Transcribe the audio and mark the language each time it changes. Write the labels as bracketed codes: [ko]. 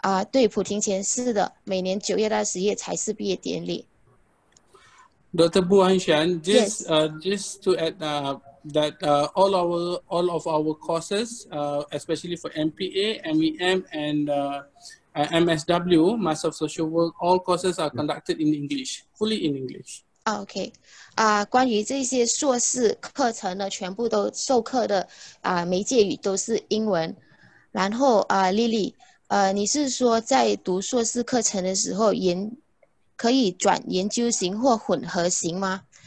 [zh] 对，普廷前是的，每年九月到十月才是毕业典礼。 [en] Dr. Bu Hanshan, just yes. Just to add that all of our courses, especially for MPA, MEM, and MSW, Master of Social Work, all courses are conducted in English, fully in English. [zh] Okay, 关于这些硕士课程呢，全部都授课的媒介语都是英文。然后Lily, 你是说在读硕士课程的时候可以转研究型或混合型吗？